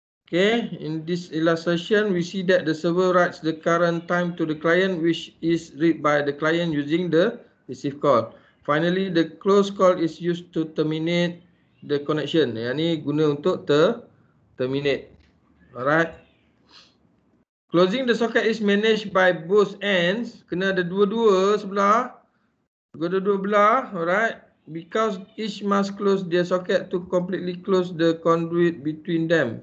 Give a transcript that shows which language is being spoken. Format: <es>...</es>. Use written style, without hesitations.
<en>Okay, in this illustration we see that the server writes the current time to the client which is read by the client using the receive call. Finally, the close call is used to terminate the connection.</en> <ms>Yang ni guna untuk terminate. Alright.</ms> <en>Closing the socket is managed by both ends.</en> <ms>Kena ada dua-dua sebelah. Dua-dua belah. Alright.</ms> <en>Because each must close their socket to completely close the conduit between them.</en>